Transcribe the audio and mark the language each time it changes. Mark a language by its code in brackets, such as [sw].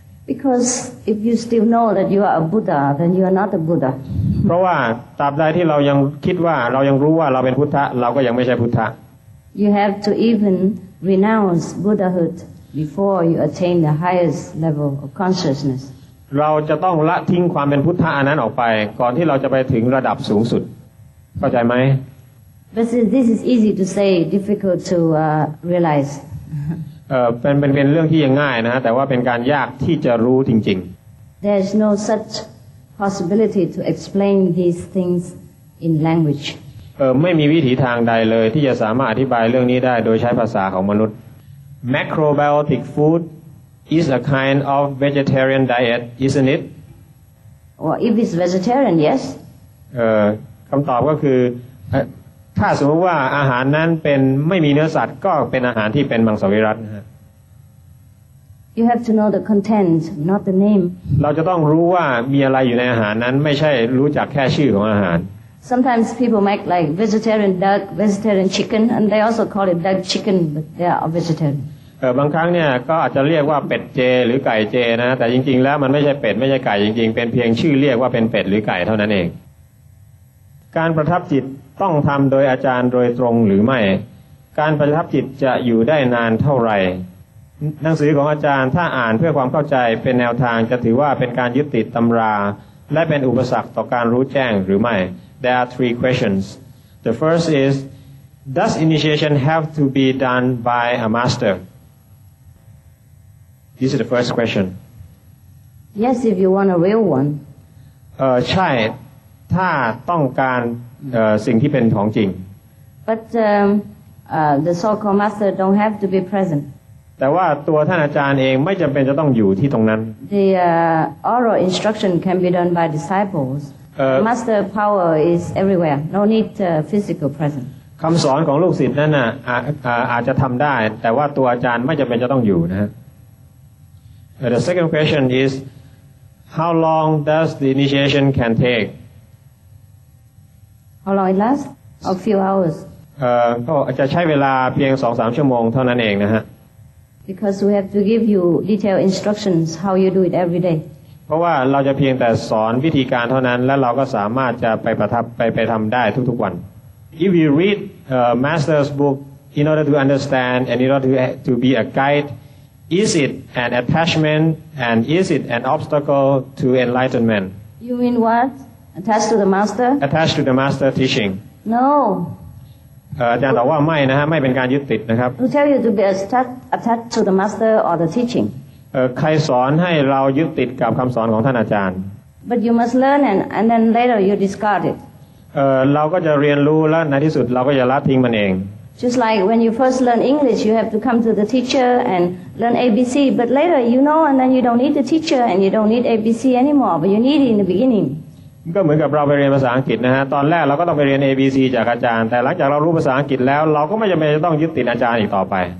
[en] Because if you still know that you are a Buddha, then you are not a Buddha. [th] เพราะว่าตราบใดที่เรายังคิดว่าเรายังรู้ว่าเราเป็นพุทธะเราก็ยังไม่ใช่พุทธะ [en] You have to even renounce Buddhahood before you attain the highest level of consciousness. [th] เราจะต้องละทิ้งความเป็นพุทธะอันนั้นออกไปก่อนที่เราจะไปถึงระดับสูงสุดเข้าใจไหม [en] But this is easy to say, difficult to realize. [th] เป็นเรื่องที่ยังง่ายนะแต่ว่าเป็นการยากที่จะรู้จริง [en] ๆ There's no such possibility to explain these things in language. [th] ไม่มีวิธีทางใดเลยที่จะสามารถอธิบายเรื่องนี้ได้โดยใช้ภาษาของมนุษย์ [en] Macrobiotic foodIs a kind of vegetarian diet, isn't it? Well, if it's vegetarian, yes. [th] คำตอบก็คือถ้าสมมติว่าอาหารนั้นเป็นไม่มีเนื้อสัตว์ก็เป็นอาหารที่เป็นมังสวิรัตินะฮะ [en] You have to know the content, not the name. [th] เราจะต้องรู้ว่ามีอะไรอยู่ในอาหารนั้นไม่ใช่รู้จักแค่ชื่อของอาหาร [en] Sometimes people make like vegetarian duck, vegetarian chicken, and they also call it duck chicken, but they are vegetarian. [th] บางครั้งเนี่ยก็อาจจะเรียกว่าเป็ดเจหรือไก่เจนะแต่จริงๆแล้วมันไม่ใช่เป็ดไม่ใช่ไก่จริงๆเป็นเพียงชื่อเรียกว่าเป็นเป็ดหรือไก่เท่านั้นเอง การประทับจิตต้องทำโดยอาจารย์โดยตรงหรือไม่การประทับจิตจะอยู่ได้นานเท่าไหร่หนังสือของอาจารย์ถ้าอ่านเพื่อความเข้าใจเป็นแนวทางจะถือว่าเป็นการยึดติดตำราและเป็นอุปสรรคต่อการรู้แจ้งหรือไม่ [en] There are three questions The first is Does initiation have to be done by a masterThis is the first question. Yes, if you want a real one. [th] ใช่ถ้าต้องการสิ่งที่เป็นของจริง [en] But the so-called master don't have to be present. [th] แต่ว่าตัวท่านอาจารย์เองไม่จำเป็นจะต้องอยู่ที่ตรงนั้น [en] The oral instruction can be done by disciples. Master power is everywhere. No need physical presence. [th] คำสอนของลูกศิษย์นั้นน่ะอาจจะทำได้แต่ว่าตัวอาจารย์ไม่จำเป็นจะต้องอยู่นะฮะ [en] The second question is, How long does the initiation can take? How long it lasts? A few hours. [th] จะใช้เวลาเพียง 2-3 ชั่วโมงเท่านั้นเองนะฮะ [en] Because we have to give you detailed instructions how you do it every day. [th] เพราะว่าเราจะเพียงแต่สอนวิธีการเท่านั้นและเราก็สามารถจะไปประทับไปทำได้ทุกๆวัน [en] If you read master's book in order to understand and in order to be a guide, is it an attachment and is it an obstacle to enlightenment? You mean what? Attached to the master? Attached to the master teaching. No. [th] อาจารย์ตอบว่าไม่นะฮะไม่เป็นการยึดติดนะครับ [en] Who tell you to be attached to the master or the teaching? [th] ใครสอนให้เรายึดติดกับคำสอนของท่านอาจารย์ [en] But you must learn and then later you discard it. [th] เราก็จะเรียนรู้และในที่สุดเราก็จะละทิ้งมันเอง [en] Just like when you first learn English, you have to come to the teacher and learn ABC. But later, you know, and then you don't need the teacher and you don't need ABC anymore. But you need it in the beginning. [th] ก็เหมือนกับเราไปเรียนภาษาอังกฤษนะฮะตอนแรกเราก็ต้องไปเรียน ABC จากอาจารย์แต่หลังจากเรารู้ภาษาอังกฤษแล้วเราก็ไม่จำเป็นจะต้องยึดติดอาจารย์อีกต่อไป